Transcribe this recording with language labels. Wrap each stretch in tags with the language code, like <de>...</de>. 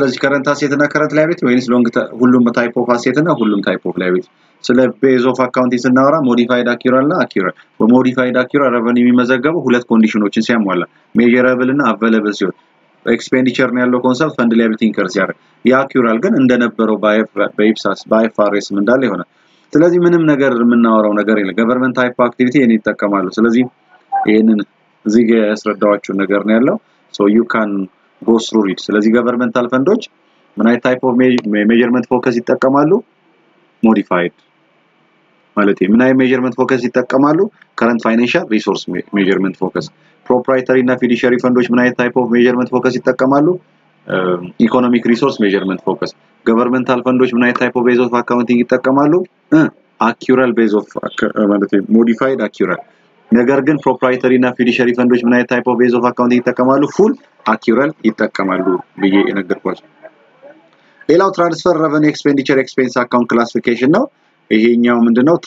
<am>ስለዚህ ከረንት አሴት እና ከረንት ላያቢሊቲ ወይስ ሎንግ ተርም? ሁሉም ታይፕ ኦፍ አሴት እና ሁሉም ታይፕ ኦፍ ላያቢሊቲ። ስለ ቤዝ ኦፍ አካውንቲንግ ስናወራ ሞዲፋይድ አኩረል እና አኩረል። በሞዲፋይድ አኩረል ረቨኒው የሚመዘገበው ሁለት ኮንዲሽኖችን ሲያሟላ ሜጀረብል እና አቬለብል ሲሆን፣ ኤክስፔንዲቸር ነው ያለው ኮንሰፕት ፈንድ ላያቢሊቲ ኢንከር ሲያደርግ። የአኩረል ግን እንደነበረው በኢፕሳስ በአይፋርስ እንዳለ ይሆናል። ስለዚህ ምንም ነገር የምናወራው ነገር የለም። ገቨርንመንት ታይፕ አክቲቪቲ እኔ ይጠቀማሉ። ስለዚህ ይሄንን እዚህ ጋር ያስረዳዋችሁ ነገር ነው ያለው።</am> <en>So you can go through it.</en> <am>ስለዚህ governmental funds ምን አይነት type of measurement focus ይጠቀማሉ? Modified ማለት ምን አይነት measurement focus ይጠቀማሉ?</am> <en>Current financial resource measurement focus. Proprietary እና fiduciary funds</en> <am>ምን አይነት</am> <en>type of measurement focus ይጠቀማሉ? Economic resource measurement focus. Governmental funds</en> <am>ምን አይነት</am> <en>type of base of accounting ይጠቀማሉ? Accrual base of ማለት modified accrual.</en> <am>ነገር ግን ፕሮፕራይተሪ እና ፊዲሸሪ ፈንዶች ምን አይነት ታይፕ ኦፍ ቤዝ ኦፍ አካውንቲንግ ይጠቀማሉ? ፉል አኩረል ይጠቀማሉ ብዬ እነግራችኋለሁ። ሌላው ትራንስፈር ረቨኒ ኤክስፔንዲቸር ኤክስፔንስ አካውንት ክላሲፊኬሽን ነው። ይሄኛው ምንድነው?</am>